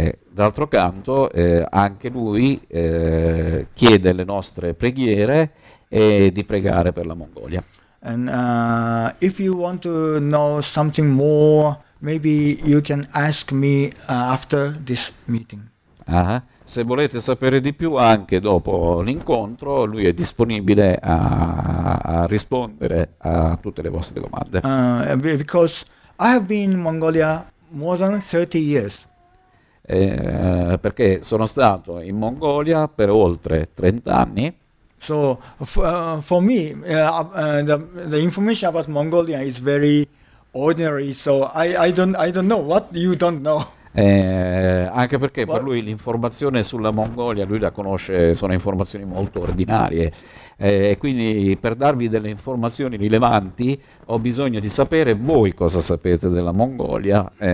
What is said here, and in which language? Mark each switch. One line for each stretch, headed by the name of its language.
Italian: D'altro canto, anche lui chiede le nostre preghiere e di pregare per la Mongolia.
English: And if you want to know something more, maybe you can ask me after this meeting.
Italian: Se volete sapere di più anche dopo l'incontro, lui è disponibile a rispondere a tutte le vostre domande.
English: Because I have been in Mongolia more than 30 years.
Italian: Perché sono stato in Mongolia per oltre 30 anni.
English: So for me the information about Mongolia is very ordinary, so I don't know what you don't know.
Italian: Anche perché per lui l'informazione sulla Mongolia, lui la conosce, sono informazioni molto ordinarie. E quindi per darvi delle informazioni rilevanti ho bisogno di sapere voi cosa sapete della Mongolia.